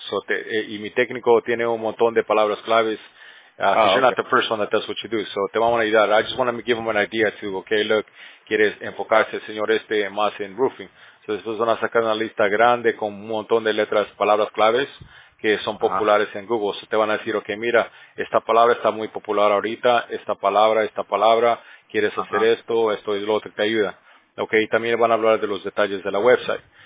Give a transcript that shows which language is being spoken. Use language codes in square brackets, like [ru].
[es] So y mi técnico tiene un montón de palabras claves. Okay. [en] You're not the first one that does what you do, so te van a ayudar. I just want to give them an idea too. [es] Okay, look, quieres enfocarse, señor este, más en roofing. So después van a sacar una lista grande con un montón de letras, palabras claves que son populares en Google. So te van a decir, okay, mira, esta palabra está muy popular ahorita, esta palabra. Quieres hacer esto y lo otro, te ayuda. Ok, también van a hablar de los detalles de la website.